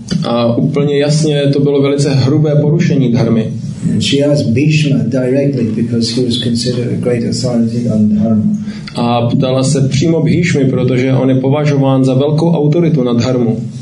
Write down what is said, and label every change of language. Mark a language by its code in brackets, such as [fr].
[cs] A úplně jasně, to bylo velice hrubé porušení dharmy. [en] And she asked Bhishma directly because he was considered a great authority on dharma. [cs] A ptala se přímo Bhishmy, protože on je považován za velkou autoritu na dharmu.